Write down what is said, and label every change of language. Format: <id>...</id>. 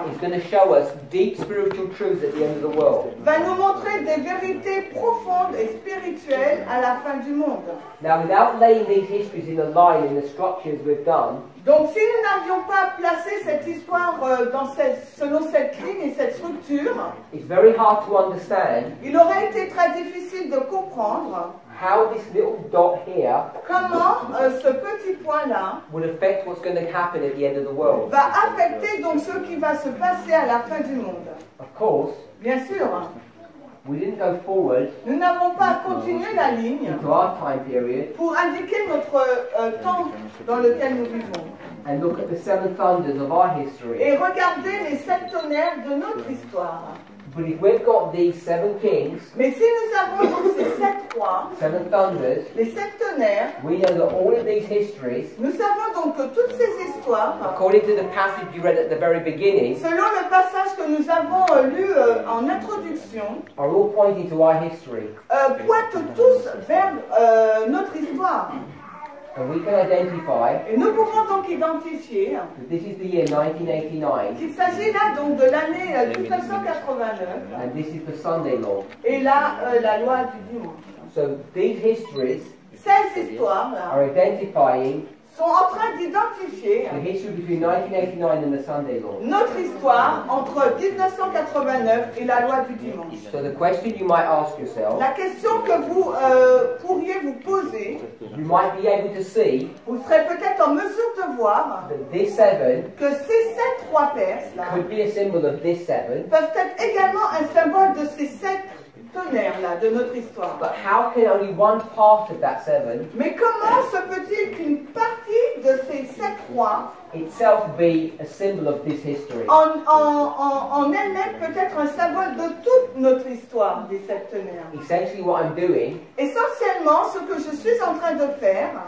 <en>is going to show us deep spiritual truths at the end of the world.</en> <fr>Va nous montrer des vérités profondes et spirituelles à la fin du monde.</fr> <en>Now, without laying these histories in the line in the structures we've done.</en> <fr>Donc, si nous n'avions pas placé cette histoire selon cette ligne et cette structure,</fr> <en>it's very hard to understand.</en> <fr>Il aurait été très difficile de comprendre.</fr> <en>How this little dot here,</en> <fr>comment ce petit point là,</fr> <en>would affect what's going to happen at the end of the world?</en> <fr>Va affecter donc ce qui va se passer à la fin du monde.</fr> <en>Of course.</en> <fr>Bien sûr.</fr> <en>We didn't go forward.</en> <fr>Nous n'avons pas continué la ligne.</fr> <en>Into our time period.</en> <fr>Pour indiquer notre temps dans lequel nous vivons.</fr> <en>And look at the seven thunders of our history.</en> <fr>Et regarder les sept tonnerres de notre histoire.</fr> <en>But if we've got these seven kings,</en> <fr>mais si nous avons donc ces sept rois,</fr> <en>seven thunders,</en> <fr>les sept tonnerres,</fr> <en>we know that all of these histories,</en> <fr>nous savons donc que toutes ces histoires,</fr> <en>according to the passage you read at the very beginning,</en> <fr>selon le passage que nous avons lu en introduction,</fr> <en>are all pointing to our history.</en> <fr>Pointent tous vers notre histoire.</fr> <en>And we can identify.</en> <fr>Et nous pouvons donc identifier.</fr> <en>This is the year 1989.</en> <fr>Il s'agit là donc de l'année 1989.</fr> <en>And this is the Sunday law.</en> <fr>Et là, la loi du dimanche.</fr> <en>So these histories.</en> <fr>Ces histoires là.</fr> <en>Are identifying.</en> <fr>Sont en train d'identifier.</fr> <en>The history between 1989 and the Sunday law.</en> <fr>Notre histoire entre 1989 et la loi du dimanche.</fr> <en>So the question you might ask yourself.</en> <fr>La question que vous pourriez vous poser.</fr> <en>You might be able to see.</en> <fr>Vous serez peut-être en mesure de voir.</fr> <en>This seven.</en> <fr>Que ces sept rois perses là.</fr> <en>Could be a symbol of this seven.</en> <fr>Peuvent être également un symbole de ces sept tonnerre là de notre histoire.</fr> <en>But how can only one part of that seven,</en> <fr>mais comment se peut-il qu'une partie de ces sept rois</fr> <en>itself be a symbol of this history?</en> <fr>En elle-même peut-être un symbole de toute notre histoire des sept tonnerres.</fr> <en>Essentially what I'm doing,</en> <fr>essentiellement ce que je suis en train de faire,</fr>